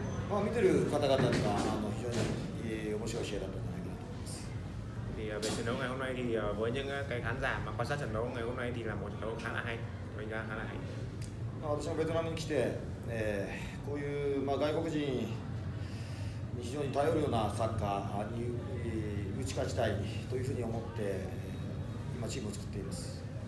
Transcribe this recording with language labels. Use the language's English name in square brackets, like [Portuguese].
[Japanese] まあ見てる方々には非常に面白い試合だったんじゃないかなと思います。 [Vietnamese] thì về trận đấu ngày hôm nay thì với những cái khán giả mà quan sát trận đấu ngày hôm nay thì là một trận đấu khá là hay, mình ra khá là hay. [Japanese] 私もベトナムに来て、こういうまあ外国人に非常に頼るようなサッカーに打ち勝ちたいというふうに思って今チームを作っています。